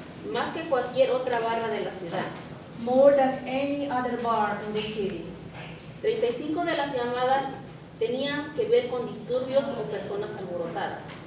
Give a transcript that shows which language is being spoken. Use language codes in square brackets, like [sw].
[es] Más que cualquier otra barra de la ciudad. [en] More than any other bar in the city. [es] 35 de las llamadas tenían que ver con disturbios o personas alborotadas.